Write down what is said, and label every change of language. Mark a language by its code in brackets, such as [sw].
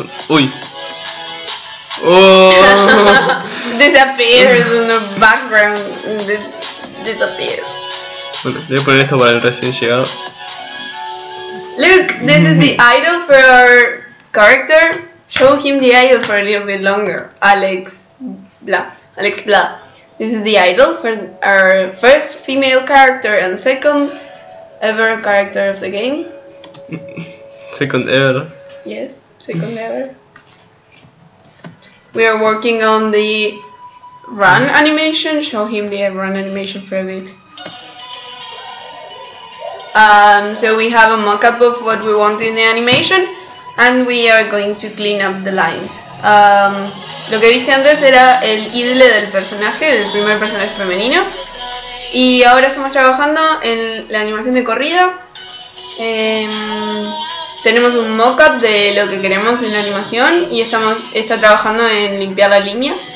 [en] Uy. Oh. Disappears in the background. Disappears. [es] Bueno, voy a poner esto para el recién llegado. [en] Look, this is the idol for our character. Show him the idol for a little bit longer. Alex Blah. Alex Blah. This is the idol for our first female character and second ever character of the game. Second ever. Yes, second ever. We are working on the run animation. Show him the run animation for a bit. So we have a mock-up of what we want in the animation, and we are going to clean up the lines. [es] Lo que viste antes era el idle del personaje, del primer personaje femenino, y ahora estamos trabajando en la animación de corrida. Tenemos un mock-up de lo que queremos en la animación y está trabajando en limpiar la línea.